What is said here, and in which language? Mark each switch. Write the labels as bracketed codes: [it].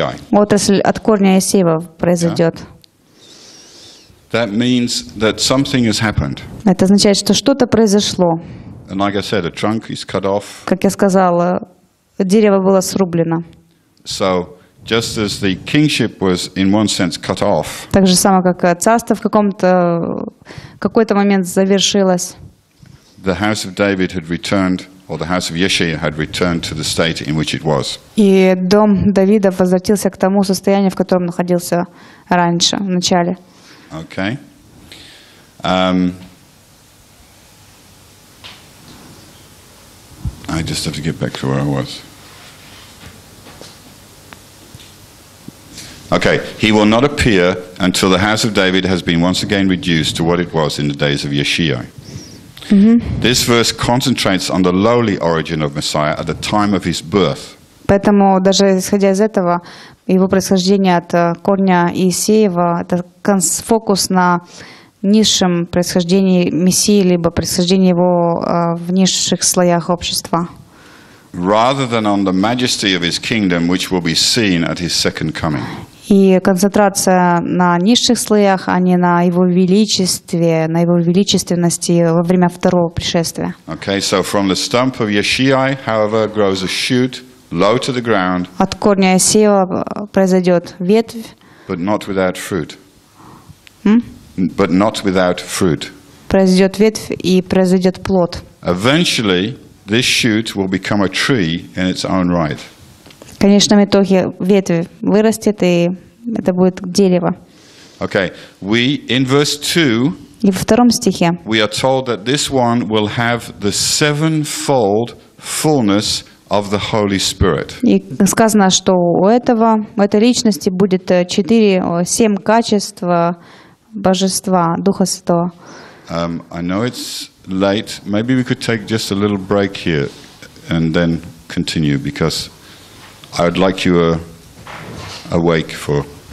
[ru] Отрасль от корня Исеева произойдет. [en] That means that something has happened. [ru] Это означает, что что-то произошло. [en] And like I said, a trunk is cut off. [ru] Как я сказала, дерево было срублено. [en] So, just as the kingship was in one sense cut off. [ru] Так же само, как царство в каком-то какой-то момент завершилось. [en] The house of David had returned, or the house of Yeshua had returned to the state in which it was. [ru] И дом Давида возвратился к тому состоянию, в котором находился раньше, в начале. [en] Okay. I just have to get back to where I was. Okay, he will not appear until the house of David has been once again reduced to what it was in the days of Yeshua. Mm-hmm. This verse concentrates on the lowly origin of Messiah at the time of his birth. [ru] Поэтому даже исходя из этого, его происхождение от корня Иисеева, это фокус на низшем происхождении Мессии, либо происхождении его в низших слоях общества. [en] Rather than on the majesty of his kingdom, which will be seen at his second coming. [ru] И концентрация на низших слоях, а не на его величестве, на его величественности во время второго пришествия. [en] Okay, so from the stump of Yeshiai, however, grows a shoot. Low to the ground. [ru] От корня Исеева произойдет ветвь. [en] But not without fruit. Hmm? But not without fruit. [ru] Произойдет ветвь и произойдет плод. [en] Eventually, this shoot will become a tree in its own right. [ru] Конечно, в итоге ветвь вырастет и это будет дерево. [en] Okay, we in verse 2. [ru] И во втором стихе. [en] We are told that this one will have the sevenfold fullness. Of the Holy Spirit. [ru] И сказано, что у этого, у этой личности будет четыре, семь качеств Божества, Духа Святого. [en] I know it's late. Maybe we could take just a little break here and then continue, because I would like you awake for